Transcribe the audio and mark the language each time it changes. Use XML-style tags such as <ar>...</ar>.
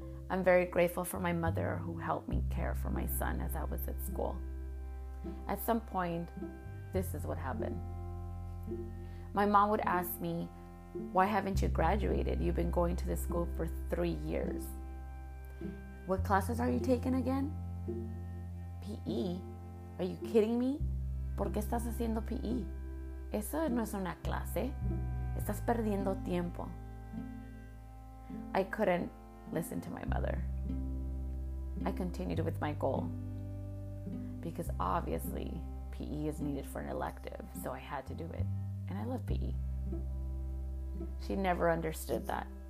<en>I'm very grateful for my mother who helped me care for my son as I was at school. At some point, this is what happened. My mom would ask me, "Why haven't you graduated? You've been going to this school for 3 years. What classes are you taking again?" PE. Are you kidding me?</en> <es>¿Por qué estás haciendo PE? Eso no es una clase. Estás perdiendo tiempo.</es> <en>I couldn't listen to my mother. I continued with my goal, because obviously PE is needed for an elective, so I had to do it. And I love PE. She never understood that.</en>